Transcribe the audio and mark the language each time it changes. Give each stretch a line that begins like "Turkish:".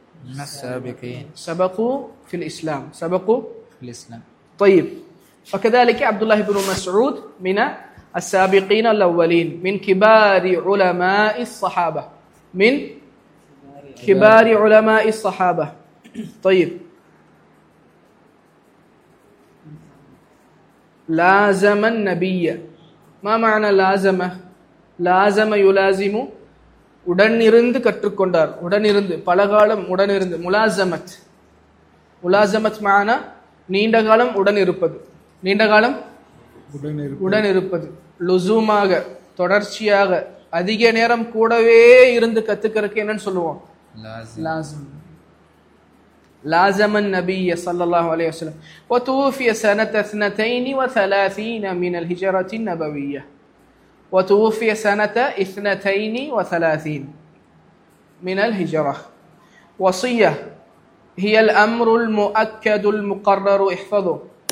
Arabic: من السابقين سبقوا في الإسلام، سبقوا في الإسلام. طيب، فكذلك عبد الله بن مسعود من السابقين الأولين، من كبار علماء الصحابة، من كبار علماء الصحابة.
Tamil: طيب،
Arabic: لازم النبي، ما معنى لازم؟ لازم يلازم
Tamil: உடனிருந்து கற்றுக்கொண்டார், உடனிருந்து பலகாலம், உடனிருந்து முலாசமத், முலாசமத் معنى நீண்டகாலம் உடனிருப்பது, நீண்டகாலம் உடனிருப்பது, லுசுமாக தொடர்ச்சியாக அதிக நேரம் கூடவே இருந்து கத்துக்கிறதுக்கு என்னன்னு சொல்லுவோம் லாசம்.
Arabic: لازم النبي صلى الله عليه وسلم وتوفي سنة 32 من الهجرة النبوية، وتوفي سنة 32 من الهجرة. وصية هي الأمر المؤكد المقرر، احفظه.